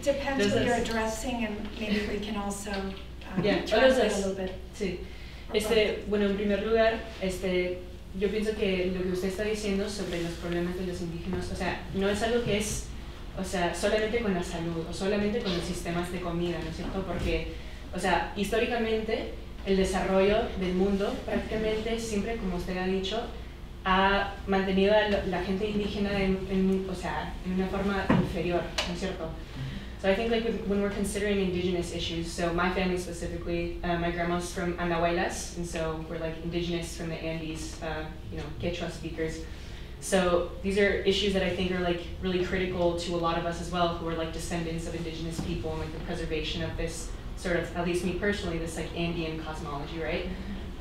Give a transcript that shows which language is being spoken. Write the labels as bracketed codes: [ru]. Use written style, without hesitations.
[en] Depends what you're addressing, and maybe we can also a little bit. Sí. [es] Bueno, en primer lugar, yo pienso que lo que usted está diciendo sobre los problemas de los indígenas, o sea, no es algo que es, o sea, solamente con la salud, o solamente con los sistemas de comida, ¿no es cierto? Porque, o sea, históricamente, el desarrollo del mundo, prácticamente siempre, como usted ha dicho, ha mantenido a la gente indígena en una forma inferior, ¿no es cierto? [en] So I think like when we're considering indigenous issues, so my family specifically, my grandma's from Andahuaylas, and so we're like indigenous from the Andes, Quechua speakers. So these are issues that I think are like really critical to a lot of us as well, who are like descendants of indigenous people, and like the preservation of this sort of, at least me personally, this like Andean cosmology, right? Mm-hmm.